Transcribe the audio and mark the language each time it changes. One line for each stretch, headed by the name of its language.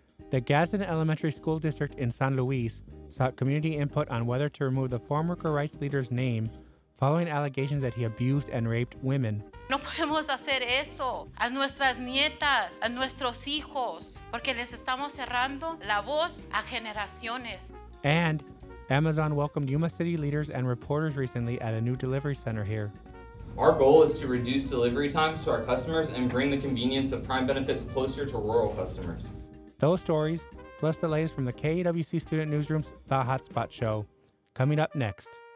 English: The Gadsden Elementary School District in San Luis sought community input on whether to remove the farm worker rights leader's name following allegations that he abused and raped women.
Spanish: No podemos hacer eso a nuestras nietas, a nuestros hijos, porque les estamos cerrando la voz a generaciones.
English: And Amazon welcomed Yuma City leaders and reporters recently at a new delivery center here. Our goal is to reduce delivery times to our customers and bring the convenience of Prime benefits closer to rural customers. Those stories, plus the latest from the KAWC Student Newsroom's The Hotspot Show, coming up next.